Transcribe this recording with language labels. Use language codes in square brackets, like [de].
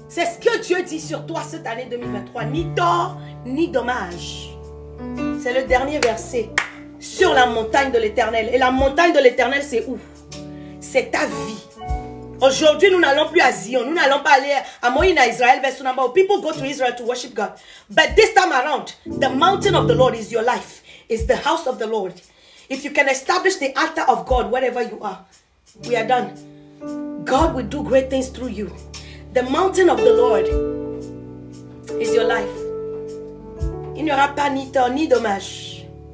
[fr] C'est ce que Dieu dit sur toi cette année 2023. Ni tort, ni dommage. C'est le dernier verset. Sur la montagne de l'Éternel. Et la montagne de l'Éternel, c'est où? C'est ta vie. Aujourd'hui, nous n'allons plus à Zion. Nous n'allons pas aller à Moïna, à Israël, vers Sunambo. [en] People go to Israel to worship God. But this time around, the mountain of the Lord is your life. It's the house of the Lord. If you can establish the altar of God wherever you are, we are done. God will do great things through you. The mountain of the Lord is your life. [fr] Il n'y aura pas ni tort ni dommage.